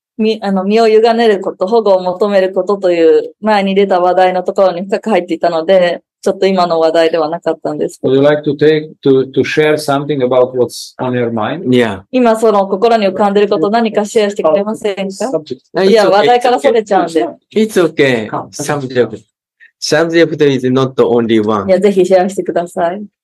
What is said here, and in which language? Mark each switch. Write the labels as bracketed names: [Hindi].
[Japanese] 身を委ねること、保護を求めることという前に出た話題のところに深く入っていたので、ちょっと今の話題ではなかったんですけど。 [English] Would you like to take, to share something about what's on your mind? Yeah. [Japanese] 今その心に浮かんでること何かシェアしてくれませんか？いや、話題からそれちゃうんで。 [English] It's okay. Subject is not only one. [Japanese] いや、ぜひシェアしてください。